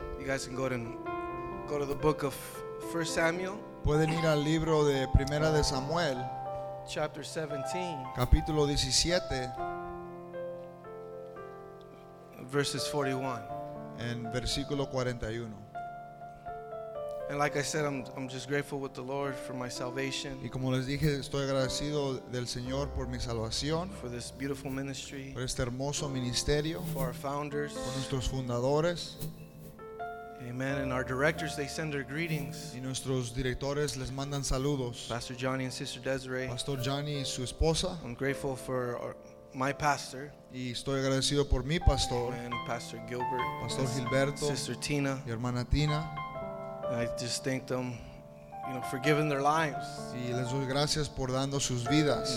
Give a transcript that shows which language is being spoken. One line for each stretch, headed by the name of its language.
English: you guys can go to the book of 1 Samuel.
Spanish: Pueden ir al libro de Primera de Samuel,
English: chapter 17,
Spanish: capítulo 17,
English: verses 41,
Spanish: en versículo 41.
English: And like I said, I'm just grateful with the Lord for my salvation.
Spanish: Y como les dije, estoy agradecido del Señor por mi salvación.
English: For this beautiful ministry.
Spanish: Por este hermoso ministerio.
English: For our founders.
Spanish: Por nuestros fundadores.
English: Amen. And our directors, they send their greetings.
Spanish: Y nuestros directores les mandan saludos.
English: Pastor Johnny and Sister Desiree.
Spanish: Pastor Johnny y su esposa.
English: I'm grateful for my pastor.
Spanish: Y estoy agradecido por mi pastor.
English: And Pastor Gilbert.
Spanish: Pastor Gilberto.
English: Sister Tina.
Spanish: Y hermana Tina.
English: And I just thank them, you know, for giving their lives.
Spanish: Y les doy gracias por dando sus vidas.